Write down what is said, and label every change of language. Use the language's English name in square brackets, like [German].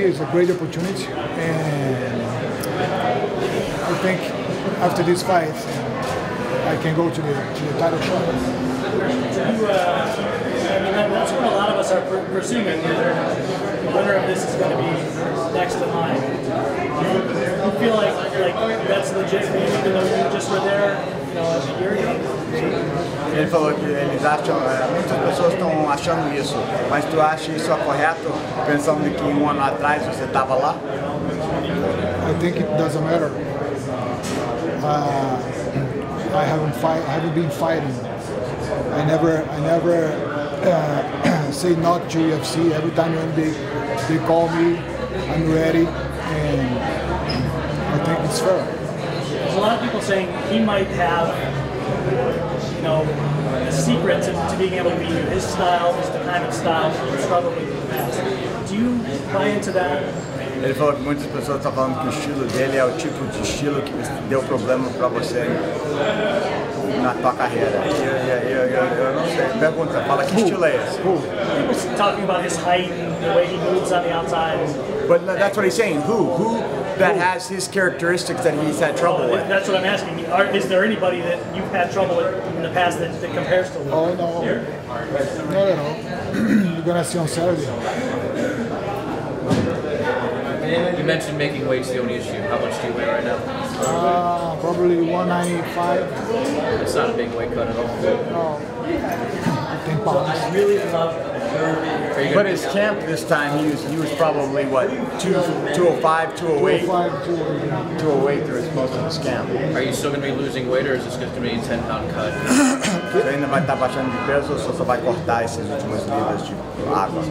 [English] It's a great opportunity, and I think after this fight, I can go to the title shot. That's what a lot of us are presuming. The winner of this is going to be next in line. You feel like that's legit, even though you just were there, a year ago. [Portuguese] Ele falou que eles acham, muitas pessoas estão achando isso, mas tu acha isso é correto, pensando que um ano atrás você estava lá? [English] I think it doesn't matter. I haven't been fighting. I never say not to UFC. Every time when they call me, I'm ready, and I think it's fair. There's a lot of people saying he might have the secret to being able to beat you. His style is the kind of style that you struggle with the best. Do you buy into that? [Portuguese] Ele falou que muitas pessoas estão falando que o estilo dele é o tipo de estilo que deu problema para você na tua carreira. Eu não sei. Pergunta, fala que estilo é esse? [English] Who? People talking about his height and the way he moves on the outside. But that's what he's saying. Who that has his characteristics that he's had trouble with? That's what I'm asking. Is there anybody that you've had trouble with in the past that compares to Luke? Oh, no. No. You're going to see on Saturday. You mentioned making weight's the only issue. How much do you weigh right now? Probably 195. That's not a big weight cut at all. No. 10 pounds. So I really love. But his camp this time, he was probably what? 205, 208? 205, 208 through his most of his camp. Are you still going to be losing weight or is this going to be a 10 pound cut? [Portuguese] Você ainda vai estar baixando de peso ou só vai cortar esses últimos livros de água?